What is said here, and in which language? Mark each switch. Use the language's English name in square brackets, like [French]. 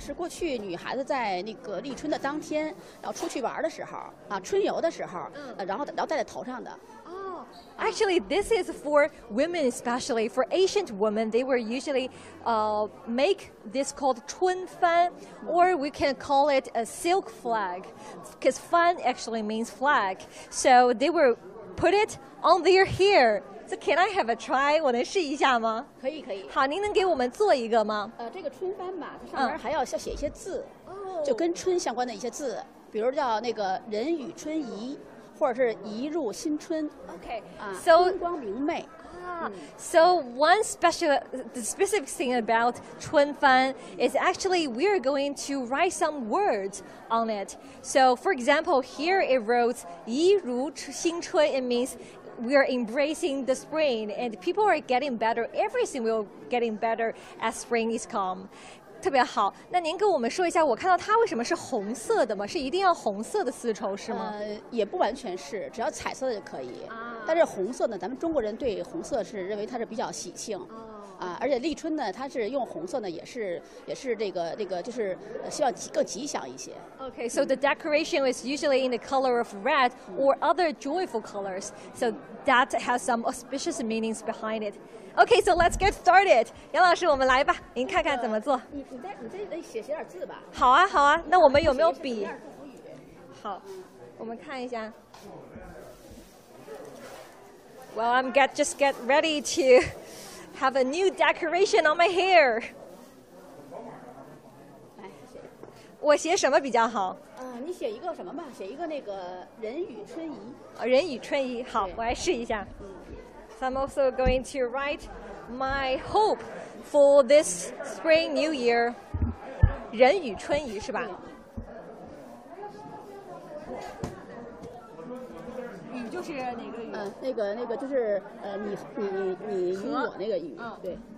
[Chinese] 是过去女孩子在那个立春的当天，然后出去玩的时候啊，春游的时候，然后戴在头上的。 [English] Actually, this is for women especially. For ancient women, they were usually make this called 春帆, or we can call it a silk flag, because 帆 actually means flag. So they were put it on their hair. So can I have a try? [Chinese] 我能试一下吗？可以，可以。好，您能给我们做一个吗？这个春帆吧，它上面还要写一些字，就跟春相关的一些字，比如叫那个人与春宜。或者是移入新春，OK，春光明媚。 [English] So one specific thing about 春帆 is actually we are going to write some words on it. So for example, here it wrote 移入新春 it means we are embracing the spring and people are getting better. Everything will getting better as spring is come. [Chinese] 特别好，那您跟我们说一下，我看到它为什么是红色的吗？是一定要红色的丝绸是吗？也不完全是，只要彩色的就可以。但是红色呢，咱们中国人对红色是认为它是比较喜庆。啊，而且立春呢，它是用红色呢，也是这个就是希望更吉祥一些。 [English] Okay, so the decoration is usually in the color of red or other joyful colors. So that has some auspicious meanings behind it. Okay, so let's get started. [Chinese] 杨老师，我们来吧，您看看怎么做。你再写点字吧。好啊，好啊。那我们有没有笔？好，我们看一下。 [English] Well, I'm just get ready to have a new decoration on my hair. [Chinese] 我写什么比较好？你写一个什么吧，写一个那个人语春怡。人语春怡，好，我来试一下。 [English] So I'm also going to write my hope for this spring new year. [Chinese] 人语春怡是吧？语就是哪个语？那个就是你与我那个语，对。